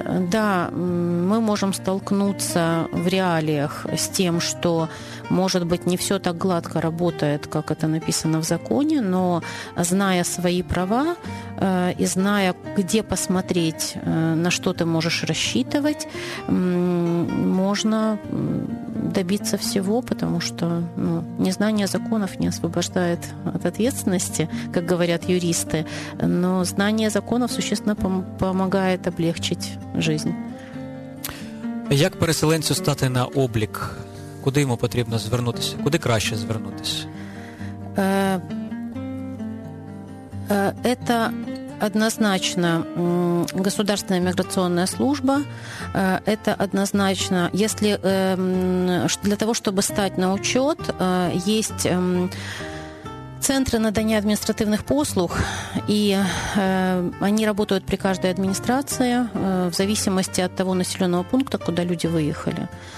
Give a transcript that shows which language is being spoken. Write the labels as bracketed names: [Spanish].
[Russian] Да, мы можем столкнуться в реалиях с тем, что, может быть, не все так гладко работает, как это написано в законе, но зная свои права и зная, где посмотреть, на что ты можешь рассчитывать, можно добиться всего, потому что, ну, незнание законов не освобождает от ответственности, как говорят юристы, но знание законов существенно помогает облегчить жизнь. [Ukrainian] Як переселенцю стати на облік? Куди йому потрібно звернутися? Куди краще звернутися? [Russian] Это однозначно государственная миграционная служба. Это однозначно, если для того, чтобы стать на учет, есть центры надания административных послуг, и они работают при каждой администрации в зависимости от того населенного пункта, куда люди выехали.